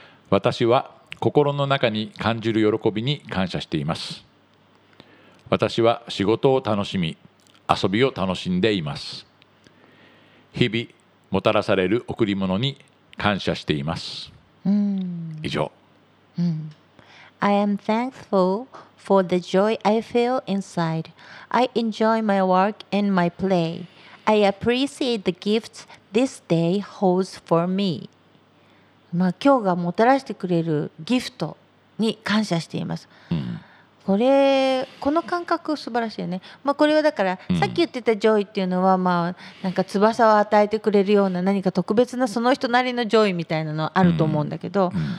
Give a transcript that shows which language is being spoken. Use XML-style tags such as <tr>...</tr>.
<ja>私は心の中に感じる喜びに感謝しています。私は仕事を楽しみ、遊びを楽しんでいます。日々もたらされる贈り物に感謝しています。うん、以上、うん。</ja> <en>I am thankful for the joy I feel inside. I enjoy my work and my play. I appreciate the gifts this day holds for me.</en> <ja>まあ、今日がもたらしてくれるギフトに感謝しています。うん、この感覚素晴らしいよね。まあ、これはだから、うん、さっき言ってたジョイっていうのは、まあ、なんか翼を与えてくれるような何か特別なその人なりのジョイみたいなのあると思うんだけど、</ja>